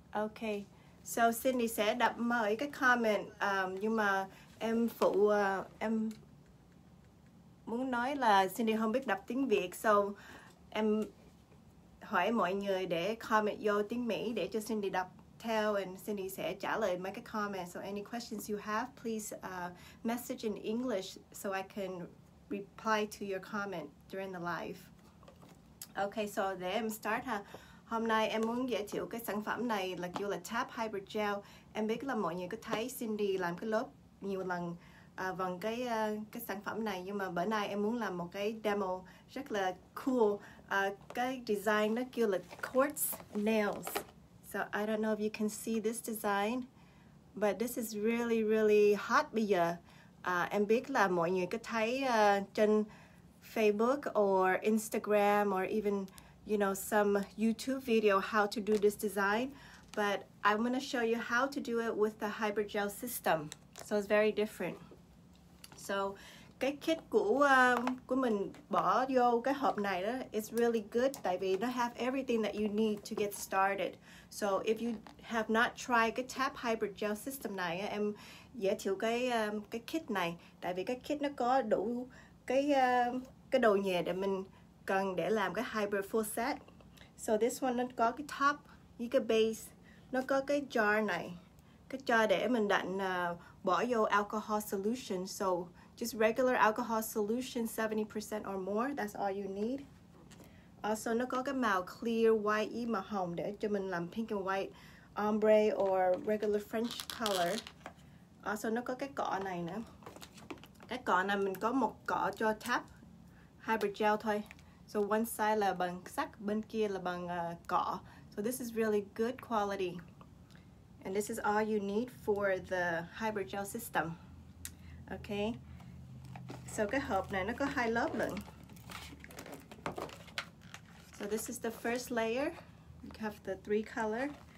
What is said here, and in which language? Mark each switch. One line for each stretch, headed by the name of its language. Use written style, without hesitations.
Vietnamese: Okay, so Cindy sẽ đọc mọi cái comment, nhưng mà em phụ em muốn nói là Cindy không biết đọc tiếng Việt,
English: so em hỏi
Vietnamese: mọi người để comment vô tiếng Mỹ để cho Cindy đọc theo, and Cindy sẽ trả lời mấy cái comment.
English: So any questions you have, please message in English so I can reply to your comment during the live. Okay, so
Vietnamese: để em start ha. Hôm nay em muốn giới thiệu cái sản phẩm này là kêu là Tap Hybrid Gel. Em biết là mọi người có thấy Cindy làm cái lớp nhiều lần bằng cái sản phẩm này, nhưng mà bữa nay em muốn làm một cái demo rất là cool. Cái design nó kêu là quartz nails.
English: So I don't know if you can see this design, but this is really really hot
Vietnamese: bây giờ. Em biết là mọi người có thấy trên
English: Facebook or Instagram or even you know some YouTube video how to do this design, but I'm gonna show you how to do it with the hybrid gel system. So it's very different.
Vietnamese: So cái kit của mình bỏ vô cái hộp này đó,
English: it's really good
Vietnamese: tại vì nó
English: have everything that you need to get started. So if you have not tried
Vietnamese: cái Tap Hybrid Gel system này, em giới thiệu cái kit này tại vì cái kit nó có đủ cái đồ nhẹ để mình cần để làm cái hybrid full set. So this one nó có cái top, như cái base, nó có cái jar này, cái jar để mình đặt bỏ vô alcohol solution.
English: So just regular alcohol solution, 70% or more, that's all you need.
Vietnamese: Also, nó có cái màu clear, white, màu hồng để cho mình làm
English: pink and white ombre or regular French color.
Vietnamese: Also, nó có cái cọ này nè. Cái cọ này mình có một cọ cho tap hybrid gel thôi. So one side là bằng sắt, bên kia là bằng cọ.
English: So this is really good quality. And this is all you need for the hybrid gel system. Okay.
Vietnamese: So cái hộp này nó có hai lớp lận.
English: So this is the first layer. You have the three color.